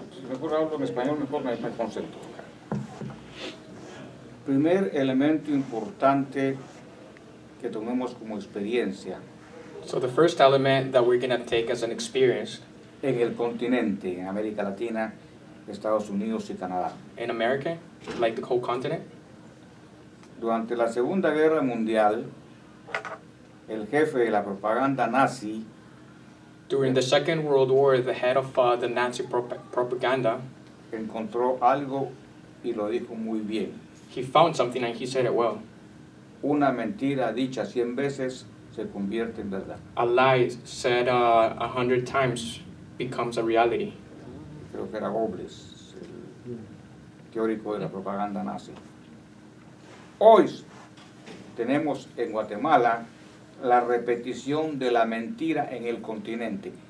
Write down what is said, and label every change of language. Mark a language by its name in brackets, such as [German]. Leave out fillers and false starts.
[Spanish] Mejor hablo en español, mejor me concentro. Primer elemento importante que tomemos como experiencia. [English] So the first element that we're going to take as an experience [Spanish] en el continente, en América Latina, Estados Unidos y Canadá. [English] In America, like the whole continent. [Spanish] Durante la Segunda Guerra Mundial, el jefe de la propaganda nazi. [English] During the Second World War, the head of the Nazi propaganda [Spanish] encontró algo y lo dijo muy bien. [English] He found something and he said it well. [Spanish] Una mentira dicha 100 veces se convierte en verdad. [English] A lie said 100 times becomes a reality. [Spanish] Creo que era Obres, el teórico de la propaganda nazi. Hoy tenemos en Guatemala la repetición de la mentira en el continente.